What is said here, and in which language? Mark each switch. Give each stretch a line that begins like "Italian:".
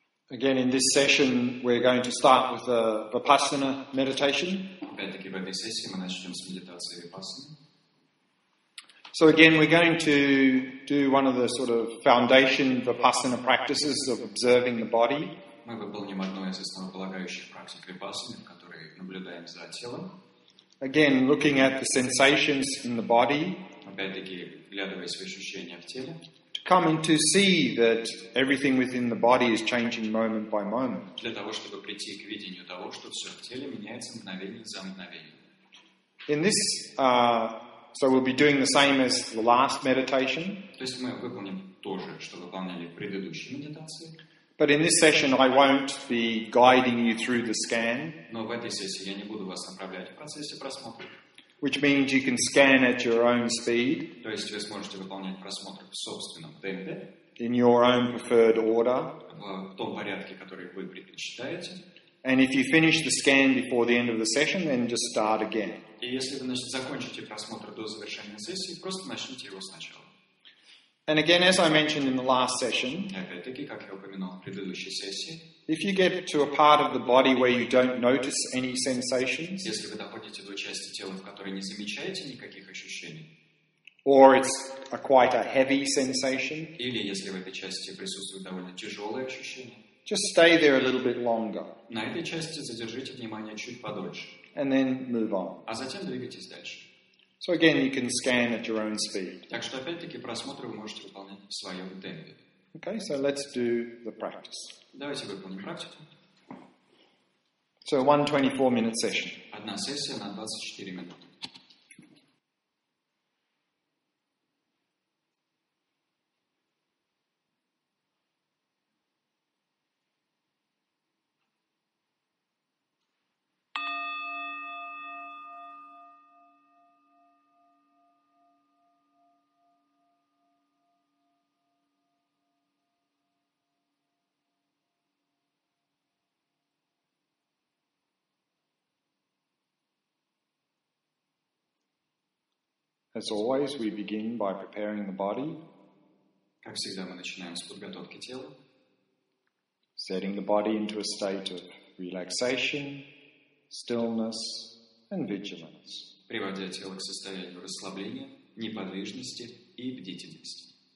English: Again, in this session, we're going to start with a Vipassana meditation.
Russian: Опять-таки, в этой сессии мы начнем с медитации Vipassana.
English: So again, we're going to do one of the sort of foundation Vipassana practices of observing the body.
Russian: Мы выполним одну из основополагающих практик Vipassana, в которой наблюдаем за телом.
English: Again, looking at the sensations in the body.
Russian: Опять-таки, вглядываясь в ощущения в теле.
English: Come and to see that everything within the body is changing moment by moment.
Russian: Для того, чтобы прийти к видению того, что все в теле меняется мгновение за мгновение.
English: In this, so we'll be doing the same as the last meditation.
Russian: То есть мы выполним то же, что выполняли в предыдущей медитации.
English: But in this session, I won't be guiding you through the scan.
Russian: Но в этой сессии я не буду вас направлять в процессе просмотра.
English: Which means you can scan at your own speed.
Russian: То есть вы сможете выполнять просмотр в собственном темпе.
English: In your own preferred order.
Russian: В том порядке, который вы предпочитаете.
English: And if you finish the scan before the end of the session, then just start again.
Russian: И если вы, значит, закончите просмотр до завершения сессии, просто начните его сначала.
English: And again, as I mentioned in the last session.
Russian: Опять-таки, как я упомянул в предыдущей сессии.
English: If you get to a part of the body where you don't notice any sensations,
Russian: если вы доходите до части тела, в которой не замечаете никаких ощущений,
English: or it's a quite a heavy sensation,
Russian: или если в этой части присутствуют довольно тяжелые ощущения,
English: just stay there a little bit longer.
Russian: На этой части задержите внимание чуть подольше,
English: and then move on.
Russian: А затем двигайтесь дальше.
English: So again, you can scan at your own speed.
Russian: Так что опять-таки просмотр вы можете выполнять в своем темпе.
English: Okay, so let's do the practice.
Russian: Давайте выполним практику.
English: So, 1 24-minute session.
Russian: Одна сессия на 24 минуты.
English: As always, we begin by preparing the body.
Russian: Как всегда, мы начинаем с подготовки тела.
English: Setting the body into a state of relaxation, stillness, and vigilance.
Russian: Приводя тело к состоянию расслабления, неподвижности и бдительности.